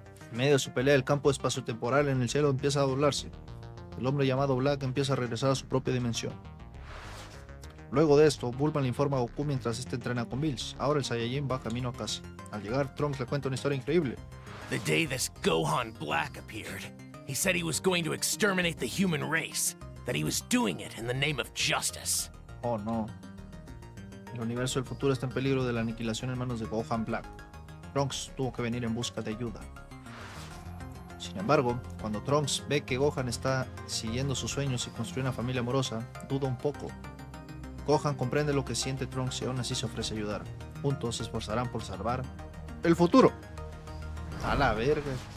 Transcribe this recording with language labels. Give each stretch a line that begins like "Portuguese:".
Spanish: En medio de su pelea, el campo espacio-temporal en el cielo empieza a doblarse. El hombre llamado Black empieza a regresar a su propia dimensión. Luego de esto, Bulma le informa a Goku mientras este entrena con Bills. Ahora el Saiyajin va camino a casa. Al llegar, Trunks le cuenta una historia increíble.
English: The day this Gohan Black appeared. He said he was going to exterminate the human race, that he was doing it in the name of justice. Oh no.
Spanish: El universo del futuro está en peligro de la aniquilación en manos de Gohan Black. Trunks tuvo que venir en busca de ayuda. Sin embargo, cuando Trunks ve que Gohan está siguiendo sus sueños y construye una familia amorosa, duda un poco. Gohan comprende lo que siente Trunks y aún así se ofrece a ayudar. Juntos se esforzarán por salvar el futuro. A la verga.